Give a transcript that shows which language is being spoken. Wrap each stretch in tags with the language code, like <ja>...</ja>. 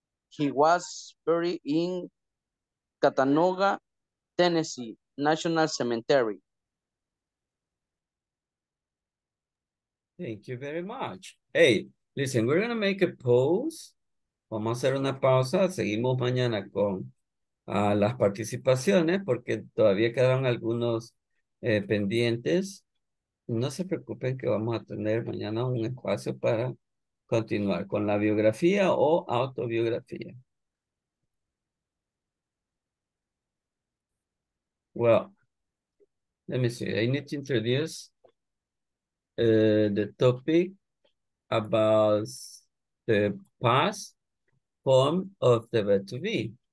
<en>He was buried in Chattanooga, Tennessee National Cemetery. Thank you very much. Hey, listen, we're going to make a pause.</en> <es>Vamos a hacer una pausa. Seguimos mañana con las participaciones porque todavía quedaron algunos pendientes. No se preocupen que vamos a tener mañana un espacio para continuar con la biografía o autobiografía.</es> <en>Well, let me see. I need to introduce the topic about the past form of the verb to be.</en>